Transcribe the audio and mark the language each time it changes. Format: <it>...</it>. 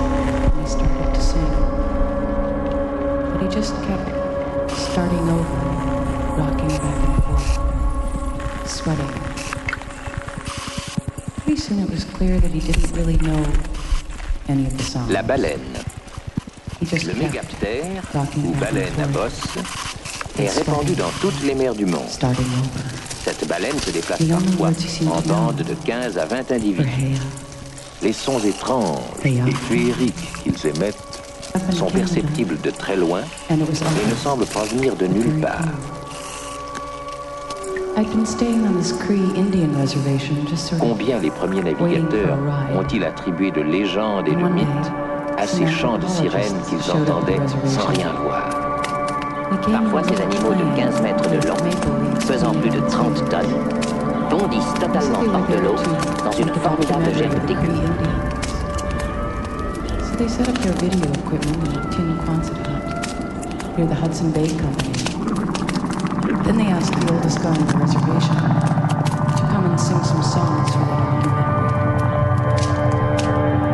<en>And he started to sing. But he just kept starting over. Rocking back and forth, sweating. Pretty soon it was clear that he didn't really know any of the songs.</en> <fr>La baleine.</fr> <en>He just</en> <fr>le mégaptère, ou baleine à bosse, est répandu dans toutes les mers du monde.</fr> <en>Starting over.</en> <fr>Cette baleine se déplace parfois en bande de 15 à 20 individus. Les sons étranges et féeriques qu'ils émettent sont perceptibles de très loin et ne semblent pas venir de nulle part.</fr> <en>I've been staying on this Cree Indian reservation just sort of.</en> <fr>Combien les premiers navigateurs ont-ils attribué de légendes et de mythes à ces chants de sirènes qu'ils entendaient sans rien voir? Parfois, ces animaux de 15 mètres de long, pesant plus de 30 tonnes, bondissent totalement hors de l'eau dans une formidable gerbe d'écume.</fr> <en>So they set up their video equipment in a tin Quonset hut near the Hudson Bay Company. Then they asked the oldest guy on the reservation to come and sing some songs for the documentary.</en>